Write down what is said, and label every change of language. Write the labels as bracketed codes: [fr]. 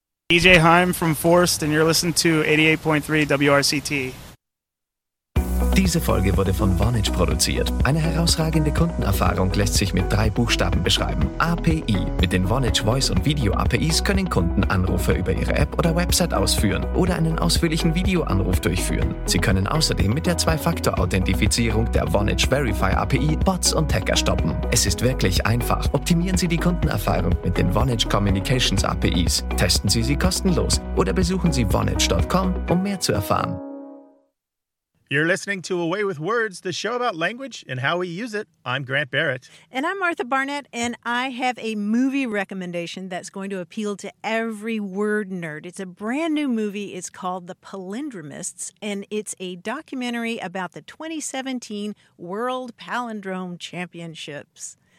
[en] DJ Heim from Forst, and you're listening to 88.3 WRCT. [de] Diese Folge wurde von Vonage produziert. Eine herausragende Kundenerfahrung lässt sich mit drei Buchstaben beschreiben. API. Mit den Vonage Voice und Video APIs können Kunden Anrufe über ihre App oder Website ausführen oder einen ausführlichen Videoanruf durchführen. Sie können außerdem mit der Zwei-Faktor-Authentifizierung der Vonage Verify API Bots und Hacker stoppen. Es ist wirklich einfach. Optimieren Sie die Kundenerfahrung mit den Vonage Communications APIs. Testen Sie sie kostenlos oder besuchen Sie vonage.com, um mehr zu erfahren. [en] You're listening to Away With Words, the show about language and how we use it. I'm Grant Barrett. And I'm Martha Barnett, and I have a movie recommendation that's going to appeal to every word nerd. It's a brand new movie. It's called The Palindromists, and it's a documentary about the 2017 World Palindrome Championships.